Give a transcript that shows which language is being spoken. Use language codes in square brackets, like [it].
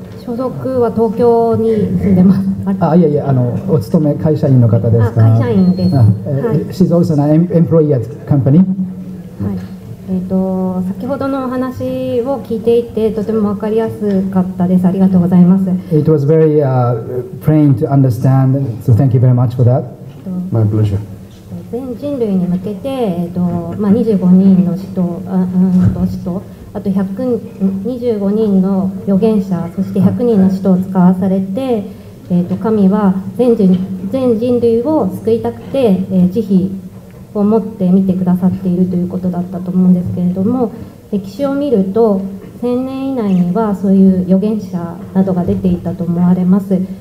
[ja] 所属は東京に住んでます。ああ、いやいや、お勤め会社員の方ですか。あ、会社員です。 [en] She's also an employee at company、 [ja] はい、先ほどのお話を聞いていてとても分かりやすかったです。ありがとうございます。 [en] It was very plain to understand, so thank you very much for that My pleasure. [ja] 全人類に向けて、まあ、25人の使徒、あと125人の預言者、そして100人の使徒を使わされて、神は全人類を救いたくて、慈悲を持って見てくださっているということだったと思うんですけれども、歴史を見ると1000年以内にはそういう預言者などが出ていたと思われます。